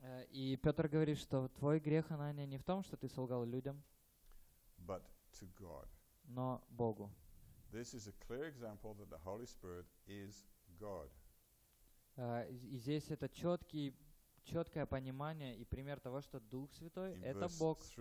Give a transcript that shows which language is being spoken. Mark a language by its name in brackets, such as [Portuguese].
[Russian] И Петр говорит, что твой грех, Анания, не в том, что ты солгал людям, [English] but to God. [Russian] Но Богу. [English] This is a clear example that the Holy Spirit is God. [Russian] И здесь это четкое понимание и пример того, что Дух Святой — это Бог.